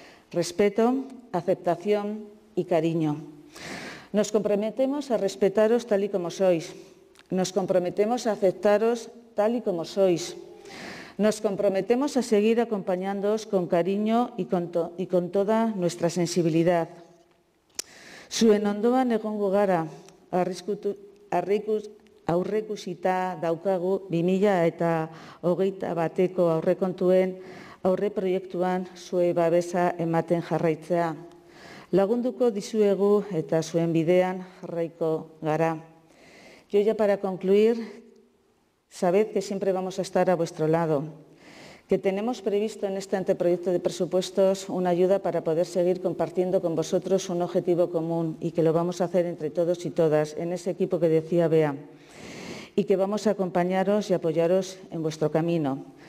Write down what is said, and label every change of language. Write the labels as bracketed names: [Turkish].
[Spanish] Respeto, aceptación y cariño. Nos comprometemos a respetaros tal y como sois. Nos comprometemos a aceptaros tal y como sois. Nos comprometemos a seguir acompañándoos con cariño y con toda nuestra sensibilidad. [Basque] Zuen ondoan egongo gara, aurreikusita daukagu 2021 aurrekontuen aurreproiektuan zuei babesa ematen jarraitzea. Lagunduko dizuegu eta zuen bidean jarraiko gara. [Spanish] Yo ya para concluir, sabed que siempre vamos a estar a vuestro lado, que tenemos previsto en este anteproyecto de presupuestos una ayuda para poder seguir compartiendo con vosotros un objetivo común y que lo vamos a hacer entre todos y todas, en ese equipo que decía Bea, y que vamos a acompañaros y apoyaros en vuestro camino.